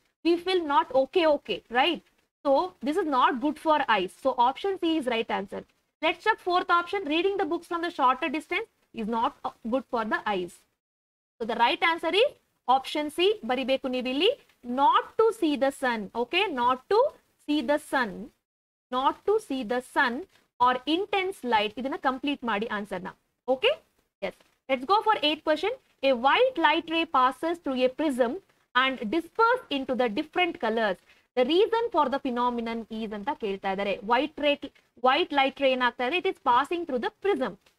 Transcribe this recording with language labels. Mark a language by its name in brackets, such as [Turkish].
[English] We feel not okay. Okay, right? So this is not good for eyes. So option C is right answer. Let's check fourth option, reading the books from the shorter distance is not good for the eyes. So the right answer is option C. [Kannada] ಬರಿಬೇಕು ನೀವಿಲ್ಲಿ, [English] Not to see the sun. Okay, not to see the sun, not to see the sun or intense light. [Kannada] ಇದನ್ನ complete ಮಾಡಿ answer ನ. [English] Okay, yes, let's go for 8th question. A white light ray passes through a prism and disperse into the different colours. The reason for the phenomenon is [Kannada] ಅಂತ ಕೇಳ್ತಾ ಇದಾರೆ. [English] white light ray [Kannada] ಏನಾಗ್ತಾ ಇದೆ, [English] It is passing through the prism.